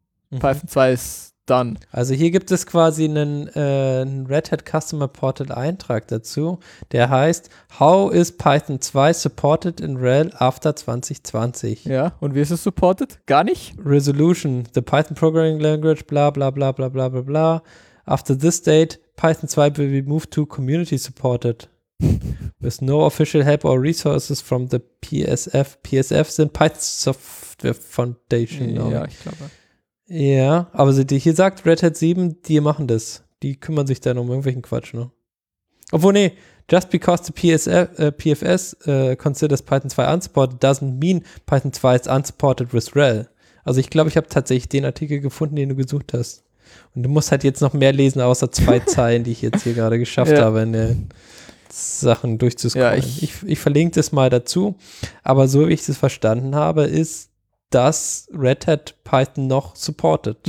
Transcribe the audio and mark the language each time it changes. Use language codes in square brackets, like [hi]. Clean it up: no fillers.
[de] Mhm. Python 2 ist done. Also hier gibt es quasi einen Red Hat Customer Portal Eintrag dazu, der heißt, [en] how is Python 2 supported in RHEL after 2020? [de] Ja, und wie ist es supported? Gar nicht? [en] Resolution, the Python programming language, bla bla bla bla bla bla bla. After this date, Python 2 will be moved to community supported. With no official help or resources from the PSF. [de] PSF sind Python Software Foundation. Ja, ich glaube. Ja, aber hier sagt Red Hat 7, die machen das. Die kümmern sich dann um irgendwelchen Quatsch, ne? Obwohl, nee, [en] just because the PFS considers Python 2 unsupported doesn't mean Python 2 is unsupported with RHEL. [de] Also ich glaube, ich habe tatsächlich den Artikel gefunden, den du gesucht hast. Und du musst halt jetzt noch mehr lesen, außer zwei Zeilen, die ich jetzt hier gerade geschafft habe, in den Sachen durchzuscrollen. Ja, ich verlinke das mal dazu. Aber so, wie ich das verstanden habe, ist, dass Red Hat Python noch supportet.